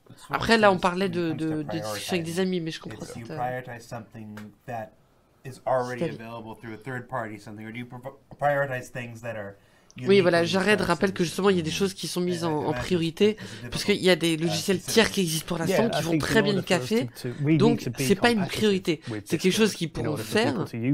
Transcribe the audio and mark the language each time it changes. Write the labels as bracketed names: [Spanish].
[French] Après là, on parlait de discussion avec des amis, mais je comprends ça. [English] Prioritize something that is already available through a third party something, or do you prioritize things that are? [French] Oui, voilà, Jared rappelle que justement, il y a des choses qui sont mises en priorité, parce qu'il y a des logiciels tiers qui existent pour l'instant, qui vont très bien le café, donc c'est pas une priorité. C'est quelque chose qu'ils pourront faire.